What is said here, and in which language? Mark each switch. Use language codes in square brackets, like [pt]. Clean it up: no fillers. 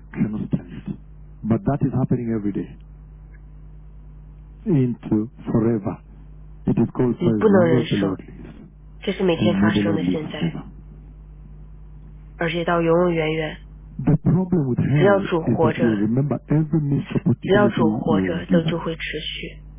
[zh] 地狱的主要的一件事情，你站在火焰里，都甚至都无法呼吸。那个火焰，那个折磨，那个火，像在1760度，1700度。 [en] Into forever, it is called forever. [zh] 你不能忍受，这是每天发生的现在，而且到永永远远。 [en] The problem with hell is that you remember every misfortune. [zh] 只要主活着，都就会持续。